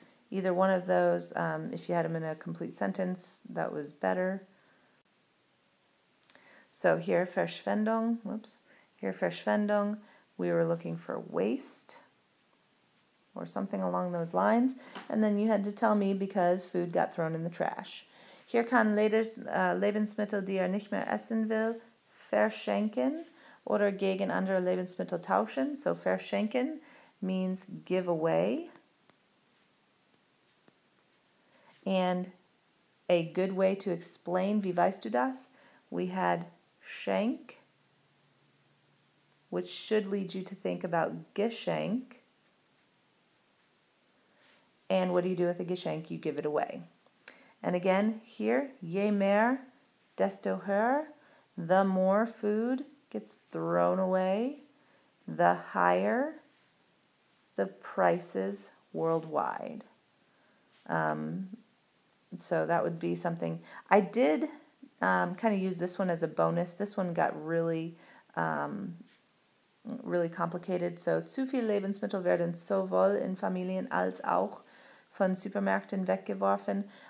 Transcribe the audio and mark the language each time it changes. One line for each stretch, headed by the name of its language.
English: Either one of those, if you had them in a complete sentence, that was better. So here, Verschwendung, we were looking for waste or something along those lines. And then you had to tell me because food got thrown in the trash.
German: Hier kann Lebensmittel, die er nicht mehr essen will, verschenken. Oder gegen andere Lebensmittel tauschen.
English: So verschenken means give away. And a good way to explain,
German: wie weißt du das?
English: We had schenk, which should lead you to think about geschenk. And what do you do with a geschenk? You give it away. And again, here,
German: je mehr, desto höher,
English: the more food gets thrown away, the higher the prices worldwide. So that would be something. I did kind of use this one as a bonus. This one got really, really complicated.
German: So, zu viel Lebensmittel werden sowohl in Familien als auch von Supermärkten weggeworfen.